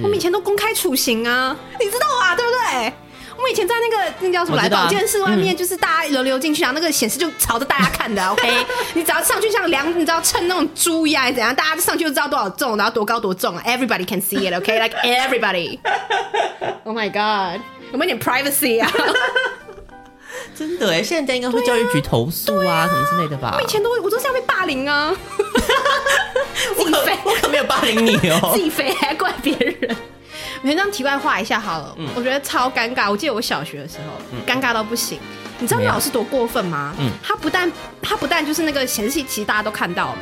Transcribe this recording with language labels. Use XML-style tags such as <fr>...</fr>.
<zh>我们以前都公开处刑啊，你知道啊，对不对？我们以前在那叫什么来保健室外面，就是大家轮流进去啊，那个显示就朝着大家看的、啊、，OK。你只要上去像量，你知道称那种猪一样怎样，大家就上去就知道多少重，然后多高多重、啊、，</zh> <en>Everybody can see it，</en> <zh>OK，、okay?</zh> <en>like everybody。 Oh my god，</en> <zh>有没有点 privacy 啊？真的哎，现在应该会教育局投诉 啊, 啊，什么之类的吧？我以前都我都是要被霸凌啊，自己飞，我可没有霸凌你哦，自己飞还怪别人。我先这样题外话一下好了、嗯、我觉得超尴尬，我记得我小学的时候、嗯、尴尬到不行，你知道老师多过分吗、嗯、他不但就是那个显示器其实大家都看到了，</zh>